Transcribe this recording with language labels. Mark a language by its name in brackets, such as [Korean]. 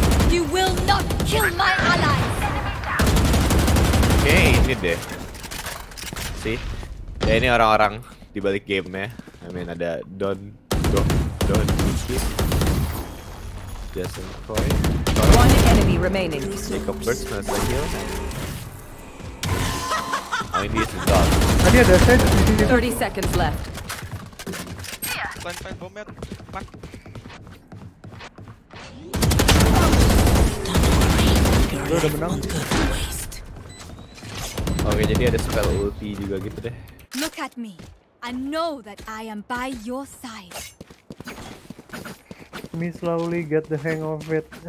[English] You will not kill my ally. [Indonesian] Oke, ini deh. See? Ya ini orang-orang di balik game-nya. [English] I mean ada Don Juskin, Jason Troy, one enemy remaining. Jacob Burst, Melissa Hill. Oh ini is a dog. [Indonesian] Tadi ada saya di sini. [English] 30 seconds left. Fine bomb ya. [Indonesian] Lu udah menang. Oke, jadi ada spell ulti juga gitu deh. [English] Look at me. I know that I am by your side. Me slowly get the hang of it.